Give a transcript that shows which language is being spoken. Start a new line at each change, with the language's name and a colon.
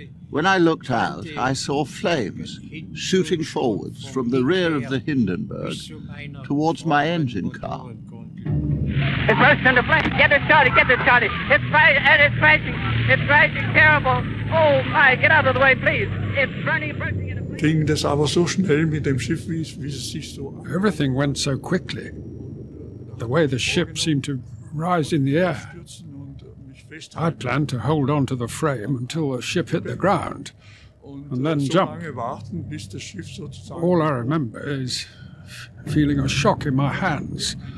English: When I looked out, I saw flames shooting forwards from the rear of the Hindenburg towards my engine car. It burst into flames. Get it started. It's rising. Terrible. Oh my, get out of the way, please. It's running, bursting into flames.
German: Ging das aber so schnell mit dem Schiff, wie es sich so...
English: Everything went so quickly. The way the ship seemed to rise in the air. I planned to hold on to the frame until the ship hit the ground and then jump. All I remember is feeling a shock in my hands.